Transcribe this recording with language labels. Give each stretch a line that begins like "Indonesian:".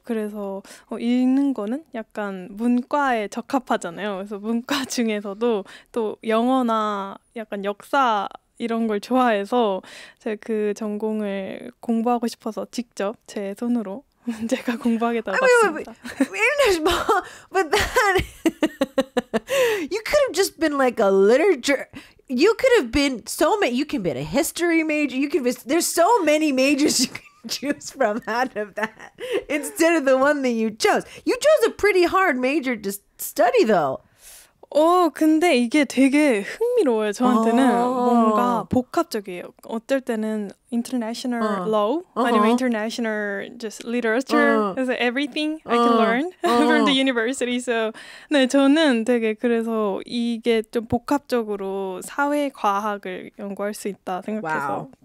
Korean: 그래서 읽는 거는 약간 문과에 적합하잖아요. 그래서 문과 중에서도 또 영어나 약간 역사 이런 걸 좋아해서 제가 그 전공을 공부하고 싶어서 직접 제 손으로 제가 공부하겠다고 했습니다.
English: But then you could have just been like a literature. You could have been so many. You can be a history major. You can be. There's so many majors you can choose from out of that instead of the one that you chose. You chose a pretty hard major to study, though.
Korean: 근데 이게 되게 흥미로워요. 저한테는 뭔가 복합적이에요. 어떨 때는
English: international law,
Korean: 아니면
English: international just literature, so everything I can learn from the university.
Korean: So 네, 저는 되게 그래서 이게 좀 복합적으로 사회과학을 연구할 수 있다 생각해서